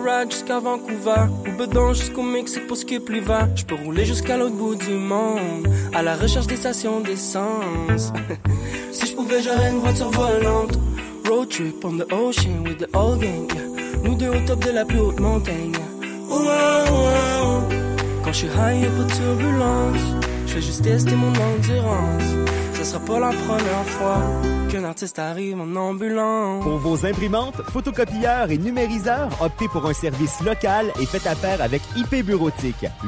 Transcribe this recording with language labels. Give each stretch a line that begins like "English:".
French: Jusqu'à Vancouver, ou bedon jusqu'au Mexique pour ce qui est plus va. Je peux rouler jusqu'à l'autre bout du monde, à la recherche des stations d'essence. Si je pouvais, j'aurais une voiture volante.
English: Road trip on the ocean with the whole gang.
French: Nous deux au top de la plus haute montagne. Wow, wow. Quand je suis high, y'a pas de turbulence. Je vais juste tester mon endurance. Ça sera pas la première fois qu'un artiste arrive en ambulance. Pour vos imprimantes, photocopieurs et numériseurs, optez pour un service local et faites affaire avec IP Bureautique.